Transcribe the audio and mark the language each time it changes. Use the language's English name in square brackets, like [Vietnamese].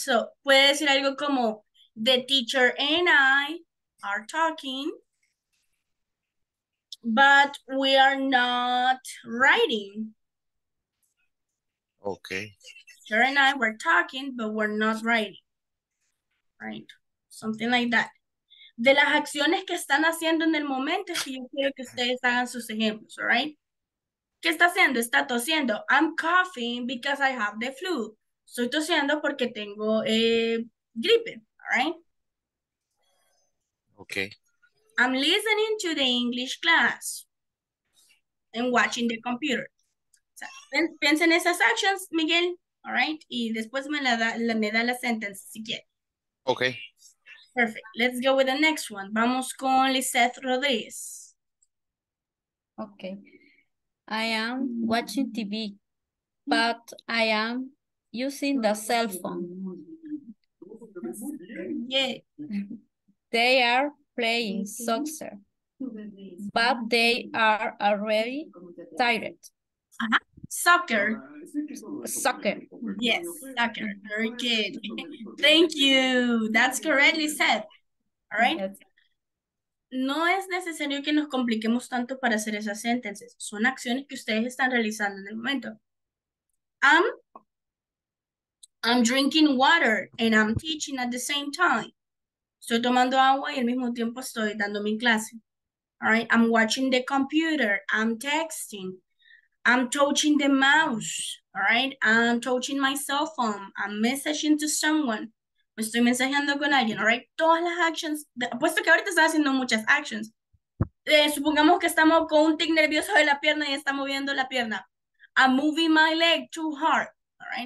[English] So, [Spanish] puede decir algo como, [English] the teacher and I are talking, but we are not writing. Okay. Teacher and I were talking, but we're not writing. Right? Something like that. [Spanish] De las acciones que están haciendo en el momento, si yo quiero que ustedes hagan sus ejemplos, [English] all right? [Spanish] ¿Qué está haciendo? Está tosiendo. [English] I'm coughing because I have the flu. [Spanish] Estoy tosiendo porque tengo gripe, [English] all right? Okay. I'm listening to the English class and watching the computer. [Spanish] Piensa en esas acciones, Miguel, [English] all right? [Spanish] Y después me da la sentence si quiere. [English] Okay. Perfect. Let's go with the next one. [Spanish] Vamos con [English] Lizeth Rodriguez. Okay. I am watching TV, but I am using the cell phone. Yeah. They are playing soccer, but they are already tired. Uh-huh. Soccer. Soccer. Yes, soccer. Very good. Thank you. That's correctly said. All right. Yes. [Spanish] No es necesario que nos compliquemos tanto para hacer esas sentences. Son acciones que ustedes están realizando en el momento. [English] I'm drinking water and I'm teaching at the same time. [Spanish] Estoy tomando agua y al mismo tiempo estoy dando mi clase. [English] All right. I'm watching the computer. I'm texting. I'm touching the mouse, all right? I'm touching my cell phone. I'm messaging to someone. [Spanish] Me estoy mensajeando con alguien, [English] all right? [Spanish] Todas las actions, apuesto que ahorita está haciendo muchas actions. Supongamos que estamos con un tic nervioso de la pierna y está moviendo la pierna. [English] I'm moving my leg too hard, all right?